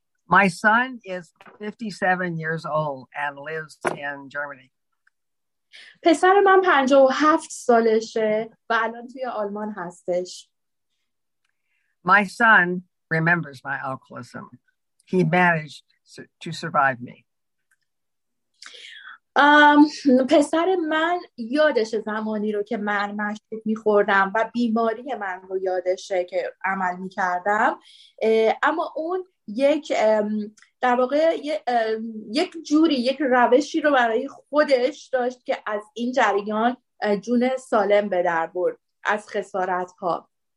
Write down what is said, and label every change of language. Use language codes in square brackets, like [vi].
[en] My son is 57 years old and lives in Germany. [fa] پسر من 57 سالشه و الان توی آلمان هستش. [en] My son remembers my alcoholism. he managed to survive me. [fa] پسر من یادش زمانی رو که من مشروب می‌خوردم و بیماری من رو یادشه که عمل می‌کردم، اما اون یک در واقع یک جوری یک روشی رو برای خودش داشت که از این جریان جون سالم به در برد از خسارت‌ها.